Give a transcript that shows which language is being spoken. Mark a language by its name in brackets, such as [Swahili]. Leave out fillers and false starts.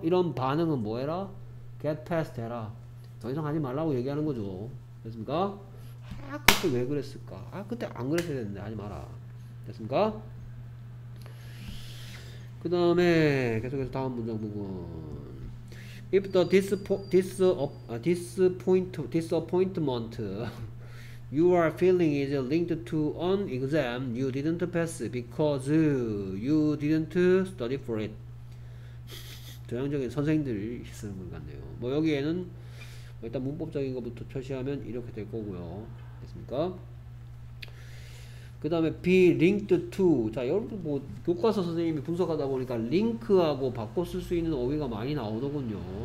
[Korean] 이런 반응은 뭐 해라? Get past 해라. 더 이상 하지 말라고 얘기하는 거죠. 됐습니까? 그때 왜 그랬을까? 그때 안 그랬어야 했는데 하지 마라. 됐습니까? 그 다음에 계속해서 다음 문장 부분. [English] If the disappointment you are feeling is linked to an exam you didn't pass because you didn't study for it. [Korean] 전형적인 선생님들이 쓰는 것 같네요. 뭐 여기에는 일단 문법적인 것부터 표시하면 이렇게 될 거고요. 됐습니까? 그 다음에 be linked to. 자, 여러분 뭐 교과서 선생님이 분석하다 보니까 링크하고 바꿔 쓸 수 있는 어휘가 많이 나오더군요.